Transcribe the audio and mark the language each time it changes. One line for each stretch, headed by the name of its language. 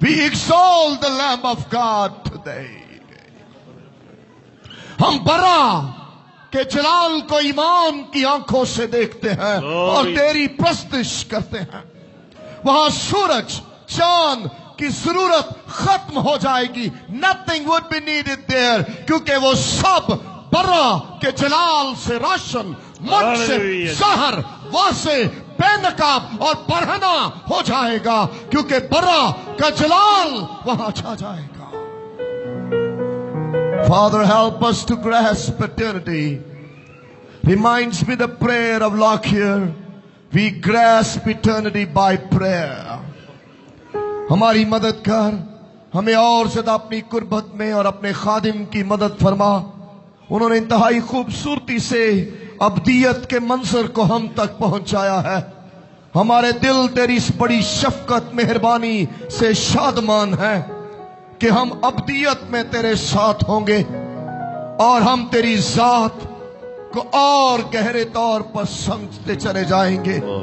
English: We exalt the Lamb of God today.
Urdu: ہم برا کے جلال کو ایمان کی آنکھوں سے دیکھتے ہیں اور تیری پرستش کرتے ہیں. وہاں سورج چاند کی ضرورت ختم ہو جائے گی.
English: Nothing would be needed there,
Urdu: کیونکہ وہ سب برا کے جلال سے روشن، مجھ سے سہر، واسے، بے نقاب اور برہنہ ہو جائے گا، کیونکہ برا کا جلال وہاں چھا جائے گا.
English: Father, help us to grasp eternity. Reminds me the prayer of Lockyer. We grasp eternity by prayer.
Urdu: ہماری مدد کر، ہمیں اور زیادہ اپنی قربت میں اور اپنے خادم کی مدد فرما. انہوں نے انتہائی خوبصورتی سے ابدیت کے منظر کو ہم تک پہنچایا ہے. ہمارے دل تیری اس بڑی شفقت مہربانی سے شادمان ہیں کہ ہم ابدیت میں تیرے ساتھ ہوں گے اور ہم تیری ذات کو اور گہرے طور پر سمجھتے چلے جائیں گے.